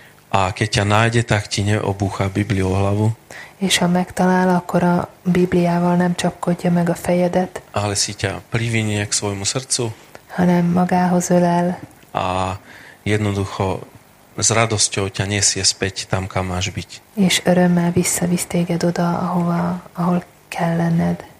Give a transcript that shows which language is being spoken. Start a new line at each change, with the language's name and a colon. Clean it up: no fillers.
Slovak: A keď ťa nájde, tak ti neobúcha Bibliu o hlavu.
Hungarian: És ha megtalál, akkor a Bibliával nem csapkodja meg a fejedet.
Slovak: Ale si ťa privinie k svojmu srdcu.
Hungarian: Hanem magához ölel.
Slovak: A jednoducho s radosťou ťa nesie späť tam, kam máš byť.
Hungarian: És örömmel visszavisz téged oda, ahol kell lenned.